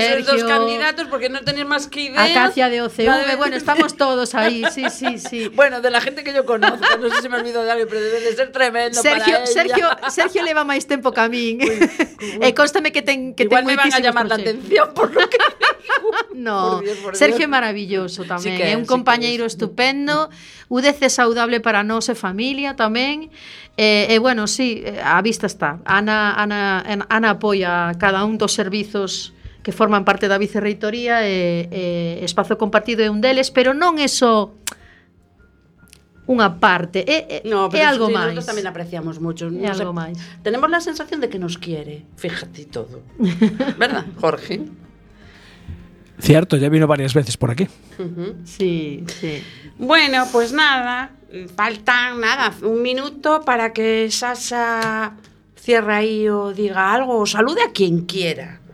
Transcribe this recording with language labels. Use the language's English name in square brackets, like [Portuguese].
[Spanish] Creo que sois dos candidatos, porque non tenéis máis que ideas. Acacia de OCV, bueno, estamos todos aí, sí. Bueno, de la gente que yo conozco, [Galician] non sei se [Spanish] me olvido de alguien, pero debe de ser tremendo Sergio, para ella. [Galician] Sergio leva máis tempo que a min. Constame que ten moitísimos [Spanish] Igual me van a llamar la atención por lo que digo. No, por Dios. [Galician] Sergio é maravilloso tamén. É un compañeiro estupendo. UDC saudable para nós e familia tamén. Bueno, sí, a vista está. Ana apoia cada un dos servizos que forman parte da vicerreitoría e Espazo Compartido é un deles, pero non é só unha parte, é algo máis. [Spanish] Nosotros [Galician] tamén [Spanish] apreciamos mucho. [Galician] É algo máis. [Spanish] Tenemos la sensación de que nos quiere, fíjate todo. ¿Verdad, Jorge? Cierto, ya vino varias veces por aquí. Sí. Bueno, pues nada... Faltan, nada, un minuto para que Sasha cierre ahí o diga algo o salude a quien quiera.